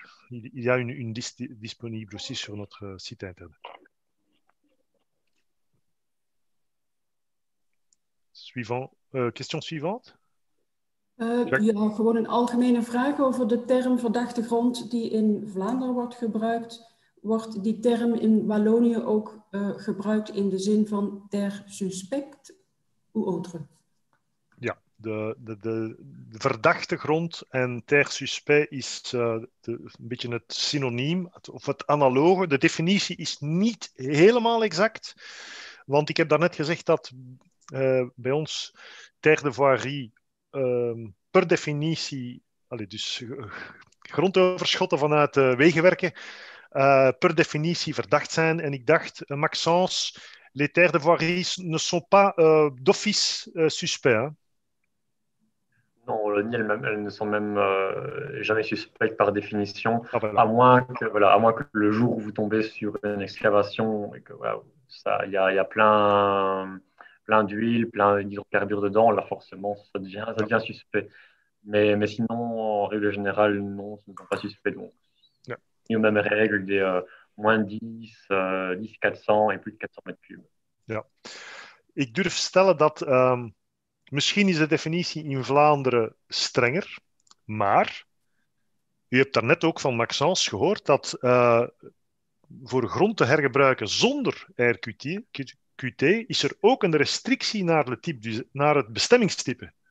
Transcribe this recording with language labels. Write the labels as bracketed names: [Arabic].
[French] Il y a une liste disponible aussi sur notre site internet. Suivant, question suivante. [Dutch] Gewoon een algemene vraag over de term verdachte grond die in Vlaanderen wordt gebruikt. Wordt die term in Wallonië ook gebruikt in de zin van [French] ter suspect ou autre? [Dutch] Ja, de verdachte grond en [French] ter suspect [Dutch] is een beetje het synoniem, of het analoge. De definitie is niet helemaal exact, want ik heb daarnet gezegd dat bij ons [French] ter de voirie [Dutch] per definitie, grondoverschotten vanuit wegenwerken, per definitie verdacht zijn. En ik dacht, [French] Maxence, les terres de voirie ne sont pas d'office suspects. Hein? Non, Wallonie, elles ne sont même jamais suspectes par définition. Ah, voilà. À moins que le jour où vous tombez sur une excavation, et que y a plein d'huile, plein d'hydrocarbures dedans, là forcément, ça devient suspect. Mais sinon, en règle générale, non, ce ne sont pas suspects. Donc. Et aux mêmes règles des moins 10, 10, 400 et plus de 400 mètres cubes. [Dutch] Ja. Ik durf stellen dat misschien is de definitie in Vlaanderen strenger, maar u hebt daarnet ook van Maxence gehoord dat voor grond te hergebruiken zonder RQT is er ook een restrictie naar het bestemmingstype.